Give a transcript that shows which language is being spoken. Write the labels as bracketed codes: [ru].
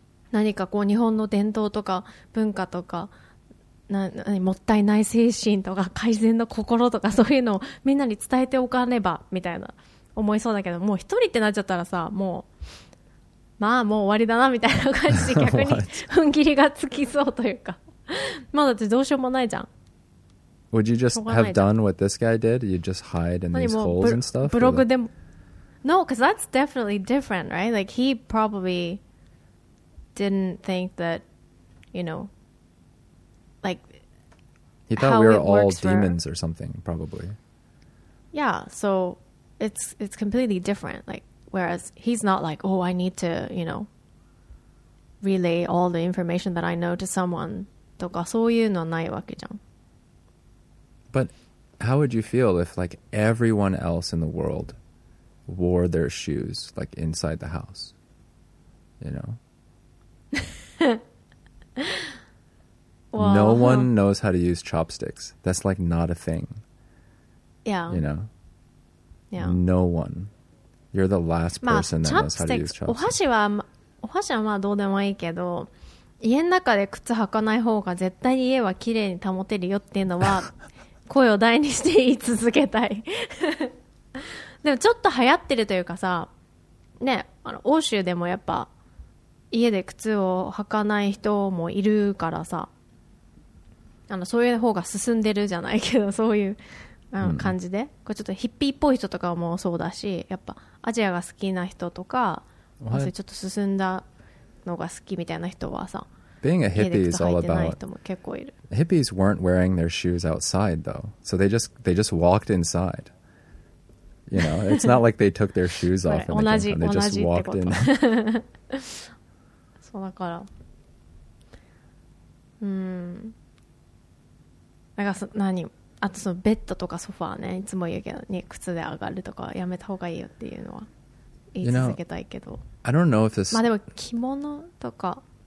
[ja] 何かこう日本の伝統とか文化とかなもったいない精神とか改善の心とかそういうのをみんなに伝えておかねばみたいな思いそうだけど、もう一人ってなっちゃったらさ、もうまあもう終わりだなみたいな感じで逆に踏ん切りがつきそうというか、まあだってどうしようもないじゃん。 [en] Would you just have done what this guy did? You just hide in these holes and stuff? [ja] ブログでも [en] No, because that's definitely different, right? Like he probably didn't think that, you know, He thought we were all demons or something, probably. Yeah, so it's completely different. Like, whereas he's not like, oh, I need to, you know, relay all the information that I know to someone. [ja] とかそういうのないわけじゃん。 [en] But how would you feel if, like, everyone else in the world wore their shoes, like, inside the house? You know? Well, no one knows how to use chopsticks. That's like not a thing. Yeah. You know? Yeah. No one. You're the last person that knows how to use chopsticks. [ja] お箸はまあどうでもいいけど、家の中で靴履かない方が絶対に家は綺麗に保てるよっていうのは声を大にして言い続けたい。でもちょっと流行ってるというかさ、ね、あの欧州でもやっぱ家で靴を履かない人もいるからさ、あのそういう方が進んでるじゃないけど、そういう感じで、これちょっとヒッピーっぽい人とかもそうだし、やっぱアジアが好きな人とか、まあ、ちょっと進んだのが好きみたいな人はさ、 [en] being a hippie is all about [ja] 結構いる。 [en] Hippies weren't wearing their shoes outside though, so they just walked inside, you know, it's not like they took their shoes off and they just walked in. [ja] そうだから、うん、なんか何、あとそのベッドとかソファーね、いつも言うけどに靴で上がるとかやめた方がいいよっていうのは言い続けたいけど、 [en] I don't know if this、 [ja] まあ、でも着物とか、